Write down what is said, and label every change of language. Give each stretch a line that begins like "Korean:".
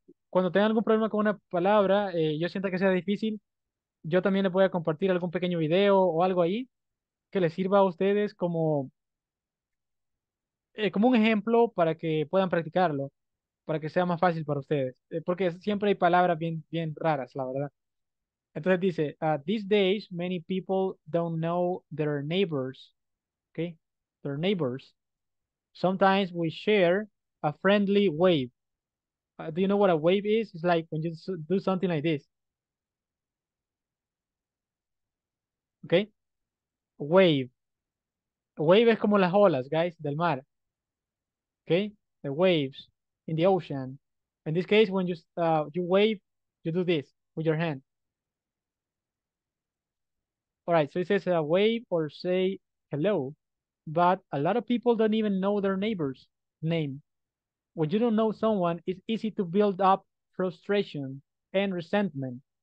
Spanish: Cuando tengan algún problema con una palabra, yo sienta que sea difícil, yo también les voy a compartir algún pequeño video o algo ahí que les sirva a ustedes como, como un ejemplo para que puedan practicarlo, para que sea más fácil para ustedes. Porque siempre hay palabras bien, bien raras, la verdad. Entonces dice,
English: these days, many people don't know their neighbors, okay? Their neighbors. Sometimes we share a friendly wave. Do you know what a wave is? It's like when you do something like this. Okay? Wave.
Spanish: Wave es como las olas, guys, del mar.
English: Okay? The waves in the ocean. In this case, when you you wave, you do this with your hand. All right, so it says a wave or say hello, but a lot of people don't even know their neighbor's name. When you don't know someone, it's easy to build up frustration and resentment.